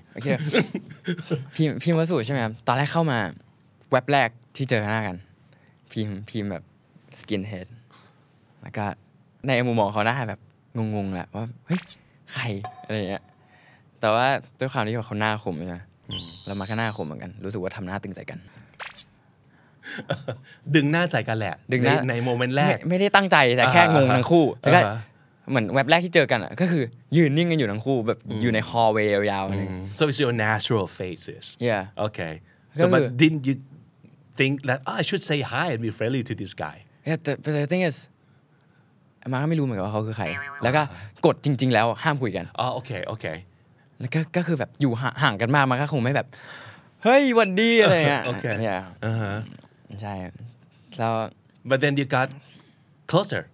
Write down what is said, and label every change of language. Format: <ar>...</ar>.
<th>โอเคพิมวัสดุใช่ไหมตอนแรกเข้ามาเว็บแรกที่เจอหน้ากันพิมแบบสกินเฮดแล้วก็ในมุมมองเขาหน้าแบบงงๆแหละว่าเฮ้ยใครอะไรอย่างเงี้ยแต่ว่าด้วยความที่เขาหน้าขมใช่ไห ม แล้วมาแค่หน้าขมเหมือนกันรู้สึกว่าทำหน้าตึงใส่กัน ดึงหน้าใส่กันแหละ ดึงหน้า ในโมเมนต์แรก ไม่ได้ตั้งใจแต่แค่งงทั้งคู่แล้วก็เหมือนเว็บแรกที่เจอกันก็คือยืนนิ่งกันอยู่ทั้งคู่แบบอยู่ในฮอลล์เวย์ยาว</th> <en>ๆ so it's your natural faces yeah okay so but didn't you think that I should say hi and be friendly to this guy yeah but the thing is</en> <th>มาไม่รู้เหมือนกันว่าเขาคือใครแล้วก็กดจริงๆแล้วห้ามคุยกัน อ๋อโอเค แล้วก็คือแบบอยู่ห่างกันมากมันก็คงไม่แบบเฮ้ยวันดีอะไรเงี้ย โอเค เนี่ ยใช่แล้ว</th> <en>but then you got closer</en>